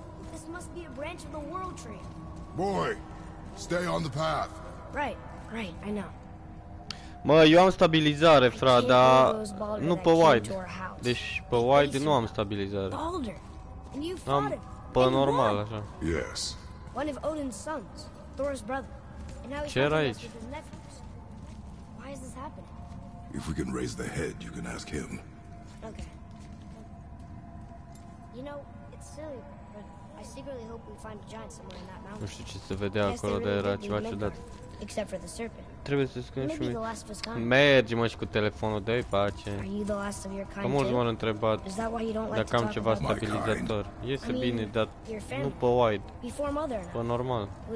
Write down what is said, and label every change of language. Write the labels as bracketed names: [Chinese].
[English] This must be a branch of the world tree. Boy, stay on the path. Right, right, I know. [Romanian] Mă, eu am stabilizare, fra, dar nu pe wide. Deci pe wide nu am stabilizare. Am pe normal, așa. [English] Yes. One of Odin's sons, Thor's brother. And now he's with his nephews. Why is this happening? If we can raise the head, you can ask him. Okay. You know, it's silly, but I secretly hope we find a giant somewhere in that mountain. [Romanian] Nu știu ce se vedea acolo, dar era ceva ciudat. [English] Except for the serpent. [Romanian] Trebuie să scrie și mie. Mergi, mă, și cu telefonul, dă-i pace. Că mulți m-au întrebat dacă am ceva stabilizator. Este bine, dar nu pe wide. Pe normal.